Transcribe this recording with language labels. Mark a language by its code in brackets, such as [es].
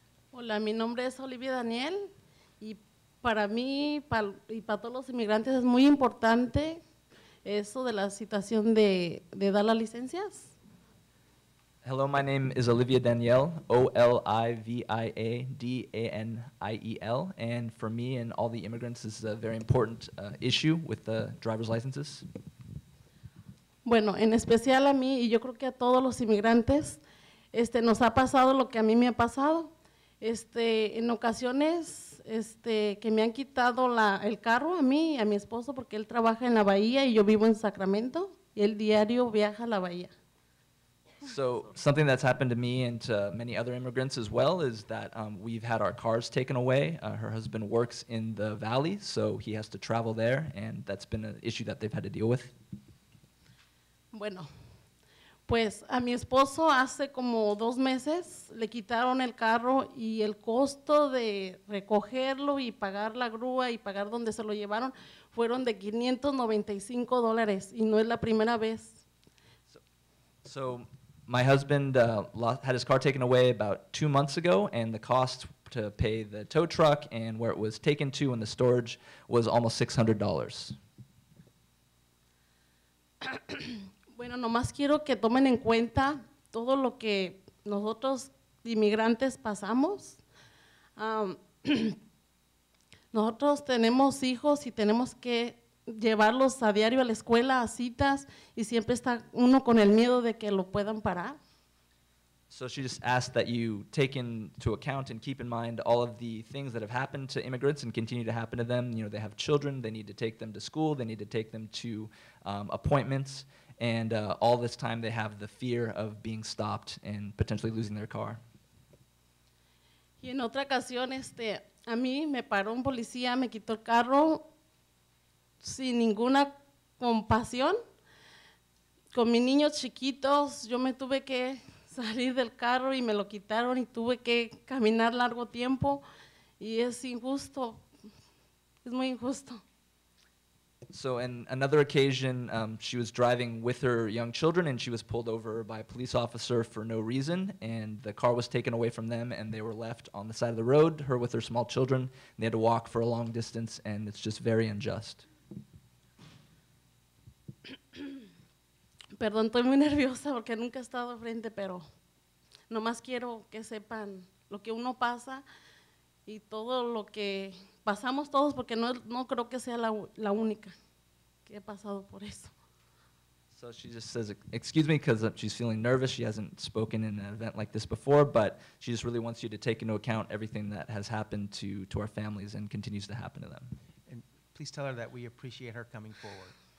[es] Hola, mi nombre es Olivia Daniel, y para mí y para todos los inmigrantes es muy importante eso de la situación de dar las licencias. [en] Hello, my name is Olivia Daniel, O-L-I-V-I-A-D-A-N-I-E-L, and for me and all the immigrants, this is a very important issue with the driver's licenses. [es] Bueno, en especial a mí, y yo creo que a todos los inmigrantes, nos ha pasado lo que a mí me ha pasado. En ocasiones que me han quitado el carro a mí y a mi esposo porque él trabaja en la bahía y yo vivo en Sacramento y él diario viaja a la bahía. [en] So something that's happened to me and to many other immigrants as well is that we've had our cars taken away. Her husband works in the valley, so he has to travel there, and that's been an issue that they've had to deal with. [es] Bueno, pues a mi esposo hace como dos meses le quitaron el carro y el costo de recogerlo y pagar la grúa y pagar donde se lo llevaron fueron de $595 y no es la primera vez. [en] So my husband had his car taken away about 2 months ago, and the cost to pay the tow truck and where it was taken to and the storage was almost $600. [es] Bueno, nomás quiero que tomen en cuenta todo lo que nosotros inmigrantes pasamos. Nosotros tenemos hijos y tenemos que llevarlos a diario a la escuela, a citas, y siempre está uno con el miedo de que lo puedan parar. [en] So she just asked that you take into account and keep in mind all of the things that have happened to immigrants and continue to happen to them. You know, they have children, they need to take them to school, they need to take them to appointments. And all this time, they have the fear of being stopped and potentially losing their car. [es] Y en otra ocasión, a mí me paró un policía, me quitó el carro sin ninguna compasión. Con mis niños chiquitos, yo me tuve que salir del carro y me lo quitaron y tuve que caminar largo tiempo. Y es injusto. Es muy injusto. [en] So in another occasion, she was driving with her young children, and she was pulled over by a police officer for no reason, and the car was taken away from them, and they were left on the side of the road, her with her small children, and they had to walk for a long distance, and it's just very unjust. [es] Perdón, estoy muy nerviosa porque nunca he estado frente, pero nomás quiero que sepan lo que uno pasa y todo lo que pasamos todos, porque no creo que sea la única que he pasado por eso. [en] So she just says, excuse me, because she's feeling nervous. She hasn't spoken in an event like this before, but she just really wants you to take into account everything that has happened to our families and continues to happen to them. And please tell her that we appreciate her coming forward.